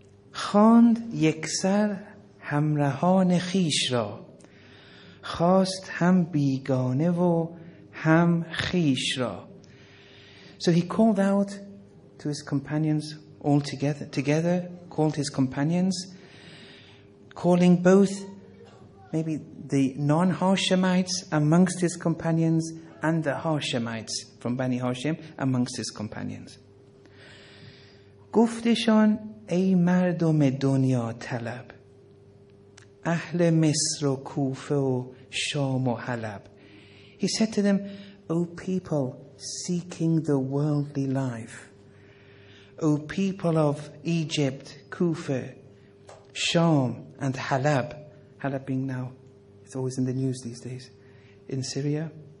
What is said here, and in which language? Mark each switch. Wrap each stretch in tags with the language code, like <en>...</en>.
<fa>خاند یک سر همراهان خیش را خواست هم بیگانه و هم خیش را.</fa> <en>So he called out to his companions all together, called his companions, calling both maybe the non-Hashemites amongst his companions and the Hashemites from Bani Hashem amongst his companions.</en> <fa>گفتشان ای مردم دنیا طلب، اهل مصر و کوفه و شام و حلب.</fa> <en>He said to them, O people seeking the worldly life, O people of Egypt, Kufa, Sham, and Halab. Halab being now, it's always in the news these days, in Syria.</en>